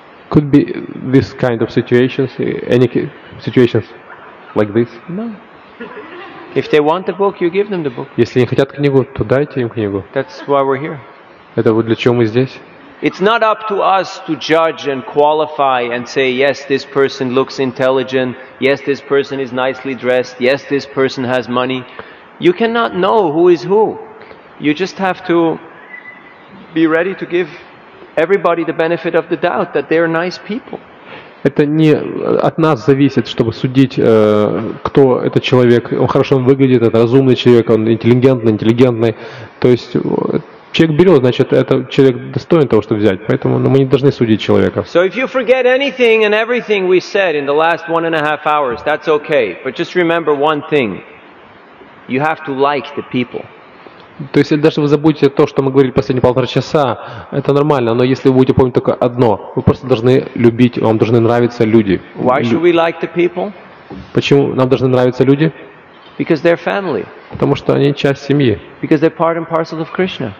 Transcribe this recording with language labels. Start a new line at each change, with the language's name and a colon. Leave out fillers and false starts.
English: Could be this kind of situations, any situations like this? No. If they want the book, you give them the book.
Russian: Если они хотят книгу, то дайте им книгу.
English: That's why we're here.
Russian: Это вот для чего мы здесь.
English: It's not up to us to judge and qualify and say, yes, this person looks intelligent, yes, this person is nicely dressed, yes, this person has money. You cannot know who is who. You just have to be ready to give everybody the benefit of the doubt that they are nice people.
Russian: Это не от нас зависит, чтобы судить, кто этот человек. Он хорошо выглядит, это разумный человек, он интеллигентный. То есть... Человек берет, значит, это человек достоин того, чтобы взять. Поэтому мы не должны судить человека.
English: So if you forget anything and everything we said in the last 1.5 hours, that's okay. But just remember one thing. You have to like the people.
Russian: То есть даже вы забудете то, что мы говорили последние полтора часа, это нормально, но если вы будете помнить только одно, вы просто должны любить, вам должны нравиться люди.
English: Why should we like the people?
Russian: Почему нам должны нравиться люди?
English: Because they're family.
Russian: Потому что они часть семьи.
English: Because they're part and parcel of Krishna.